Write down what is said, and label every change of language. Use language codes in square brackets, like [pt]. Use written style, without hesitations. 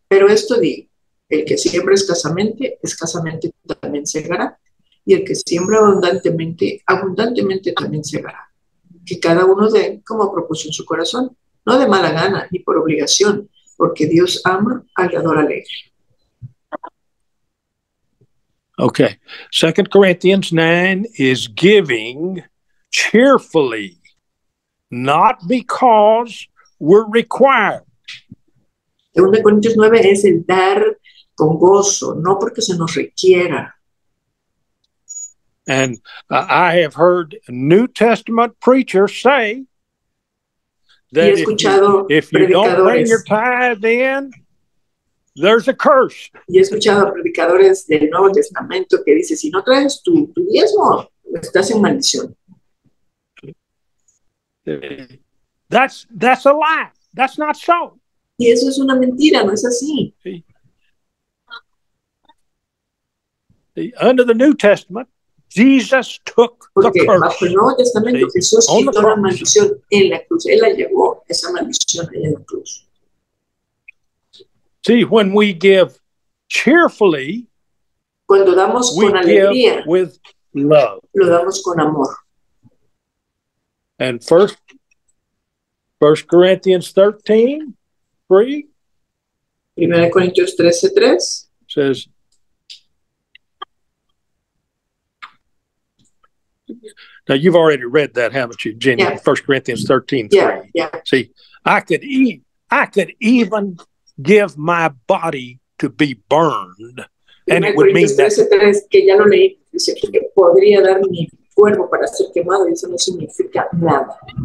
[es] Pero esto digo, el que siembra escasamente también segará. Y el que siembra abundantemente también segará. Que cada uno dé como propuso en su corazón. No de mala gana, ni por obligación, porque Dios ama al dador alegre. [en] Okay. 2 Corinthians 9 is giving cheerfully, not because we're required. [es] 2 Corintios 9 es el dar con gozo, no porque se nos requiera. [en] And I have heard New Testament preachers say, that if you don't bring your tithe in, there's a curse. [es] Y he escuchado predicadores del Nuevo Testamento que dice, si no traes tu diezmo, estás en maldición. [en] That's a lie. That's not so. [es] Y eso es una mentira, no es así. [en] Under the New Testament, Jesus took the curse. [es] Porque bajo el Nuevo Testamento, Jesús quitó la maldición en la cruz. Él la llevó, esa maldición en la cruz. [en] See, when we give cheerfully, [es] cuando damos [en] we [es] con alegría, [en] give with love. [es] Lo damos con amor. [en] And first Corinthians 13, 3. [es] Primera Corintios 13, 3. [en] Says, now, you've already read that, haven't you, Jenny? Yeah. 1 Corinthians 13, 3. Yeah, yeah. See, I could even give my body to be burned, and it would mean that. [es] Que ya lo leí, dice que podría dar mi cuerpo para ser quemado, y eso no significa nada.